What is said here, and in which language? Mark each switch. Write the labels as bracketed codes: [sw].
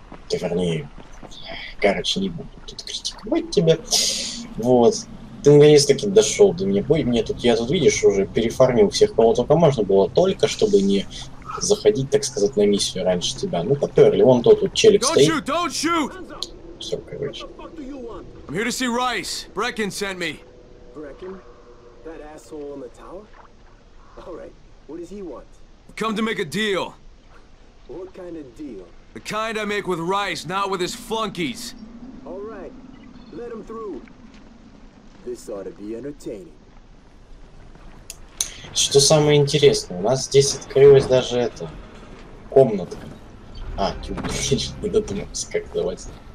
[ru] Да вернее. Короче, не буду тут критиковать тебя. Вот. Ты наконец-таки дошел до меня. Бой мне тут, я тут, видишь, уже перефармил всех, кого только можно было, только чтобы не заходить, так сказать, на миссию раньше тебя. Ну, поперли, вон тот вот челик стоит. [en] Don't shoot, don't shoot! [ru] Все, короче. [en] I'm here to see Rice. Brecken sent me. Brecken? That asshole on the tower? All right, what does he want? I've come to make a deal. What kind of deal? The kind I make with Rice, not with his flunkies. All right, let him through. This ought to be entertaining. [ru] Что самое интересное, у нас здесь открылась даже эта комната. А, не додумался, как давать.